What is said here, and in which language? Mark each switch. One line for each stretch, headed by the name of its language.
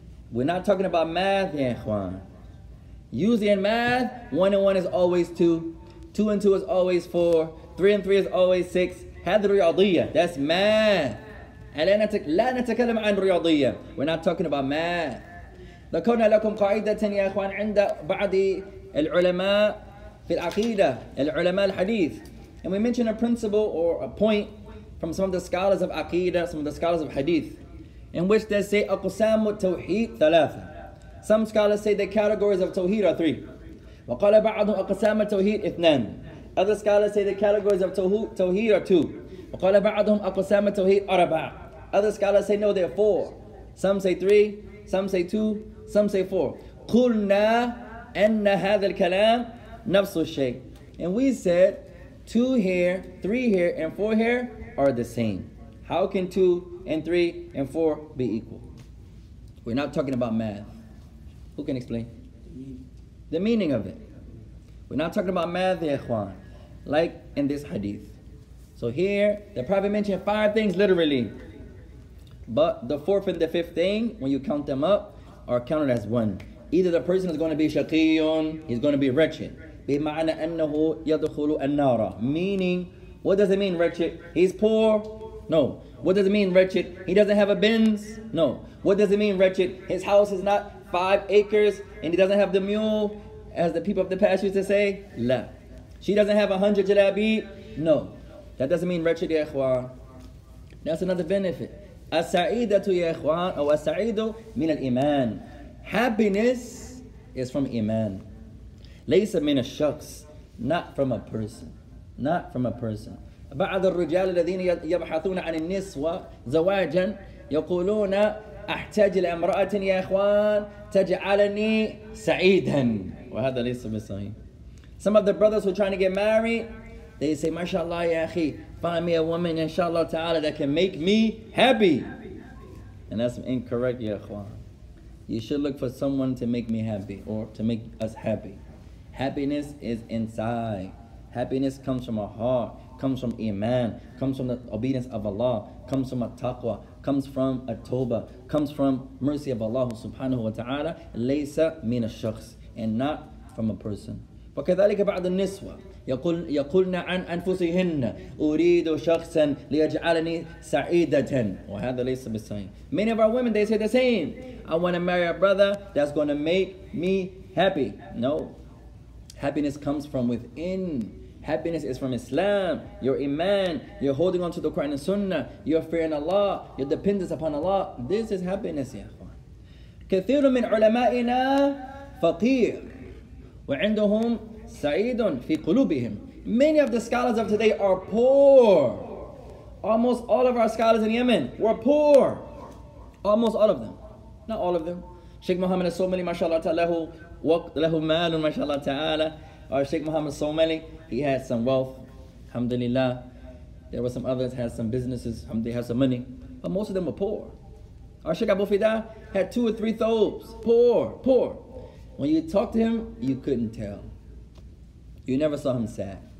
English: We're not talking about math, yeah, Juan. Usually in math, one and one is always two. Two and two is always four. Three and three is always six.
Arabic: هذه الرياضية.
English: That's
Arabic: ما. لا نتكلم عن رياضية.
English: We're not talking about ما.
Arabic: ذكرنا لكم قاعدة يا إخوان عند بعض العلماء في العقيدة العلماء الحديث.
English: And we mentioned a principle or a point from some of the scholars of Aqidah, some of the scholars of Hadith, in which they say
Arabic: أقسام التوحيد ثلاثة.
English: Some scholars say the categories of Tawheed are three.
Arabic: وقال بعضهم أقسام التوحيد اثنان.
English: Other scholars say the categories of Tawheed are two.
Arabic: وقال بعضهم أقسام التوحيد أربعة.
English: Other scholars say no, there are four. Some say three, some say two, some say four.
Arabic: قلنا أن هذا الكلام نفس الشيء.
English: And we said two here, three here, and four here are the same. How can two and three and four be equal? We're not talking about math. Who can explain? The meaning of it. We're not talking about math, ikhwan, like in this hadith. So here, the Prophet mentioned five things literally. But the fourth and the fifth thing, when you count them up, are counted as one. Either the person is going to be shaqiyun, he's going to be wretched.
Arabic: بِمَعْنَا أَنَّهُ يَدْخُلُ النَّارَ.
English: Meaning, what does it mean wretched? He's poor? No. What does it mean wretched? He doesn't have a Benz? No. What does it mean wretched? His house is not 5 acres and he doesn't have the mule, as the people of the past used to say? لا. She doesn't have 100 jalabi? No. That doesn't mean wretched,
Arabic: يا إخوان.
English: That's another benefit.
Arabic: أَسَعِيدَةُ يَا إخوان أو أَسَعِيدُ مِنَ الْإِيمَانِ.
English: Happiness is from Iman.
Arabic: ليس من الشخص.
English: Not from a person. Not from a person.
Arabic: بعض الرجال الذين يبحثون عن النسوة زواجا يقولون أحتاج لامرأة يا إخوان تجعلني سعيدا. وهذا ليس بصحيح.
English: Some of the brothers who are trying to get married, they say, MashaAllah,
Arabic: يا أخي,
English: find me a woman, inshallah ta'ala, that can make me happy. And that's incorrect,
Arabic: يا إخوان.
English: You should look for someone to make me happy or to make us happy. Happiness is inside. Happiness comes from our heart, comes from Iman, comes from the obedience of Allah, comes from a taqwa, comes from a tawbah, comes from mercy of Allah subhanahu wa ta'ala, laysa min ash-shakhs, and not from a person.
Arabic: وَكَذَلِكَ بَعْدُ النِّسْوَ يَقُلْنَ عَنْ أَنفُسِهِنَّ أُرِيدُ شَخْصًا لِيَجْعَلَنِي سَعِيدَةً. وَهَذَا لَيْسَ بِالصَّحِيحِ.
English: Many of our women, they say the same. I want to marry a brother that's going to make me happy. No. Happiness comes from within. Happiness is from Islam. Your Iman. You're holding on to the Quran and Sunnah. You're fearing Allah. Your dependence upon Allah. This is happiness, ya akhwan.
Arabic: كثير من علمائنا فقير وعندهم سعيد في قلوبهم.
English: Many of the scholars of today are poor. Almost all of our scholars in Yemen were poor. Almost all of them. Not all of them.
Arabic: Sheikh Muhammad al-Somali, mashallah ta'alahu, له مال ما شاء الله تعالى.
English: Our Sheikh Muhammad Somali, he had some wealth, alhamdulillah. There were some others had some businesses, they had some money, but most of them were poor. Our Sheikh Abu Fida had 2 or 3 thobes, poor. When you talked to him, you couldn't tell. You never saw him sad.